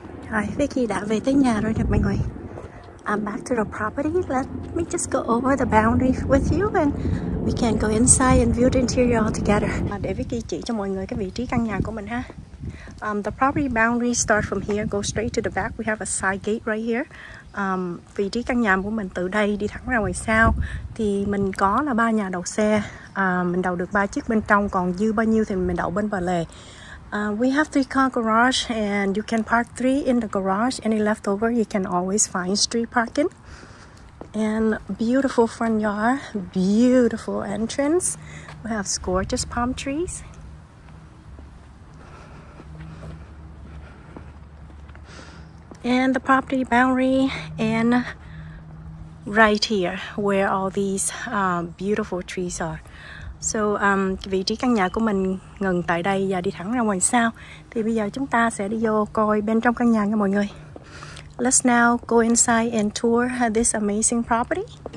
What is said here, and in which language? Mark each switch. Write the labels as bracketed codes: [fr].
[vi] Rồi, Vicky đã về tới nhà rồi nè mọi người. [en] I'm back to the property. Let me just go over the boundary with you and we can go inside and view the interior together. [vi] Để Vicky chỉ cho mọi người cái vị trí căn nhà của mình ha. [en] The property boundary starts from here, go straight to the back. We have a side gate right here. [vi] Vị trí căn nhà của mình từ đây đi thẳng ra ngoài sau thì mình có là ba nhà đậu xe. Mình đậu được ba chiếc bên trong, còn dư bao nhiêu thì mình đậu bên bờ lề. [en] We have 3-car garage and you can park 3 in the garage. Any leftover, you can always find street parking. And beautiful front yard, beautiful entrance. We have gorgeous palm trees. And the property boundary and right here where all these beautiful trees are. [vi] So, vị trí căn nhà của mình ngừng tại đây và đi thẳng ra ngoài sau. Thì bây giờ chúng ta sẽ đi vô coi bên trong căn nhà nha mọi người. Let's now go inside and tour this amazing property.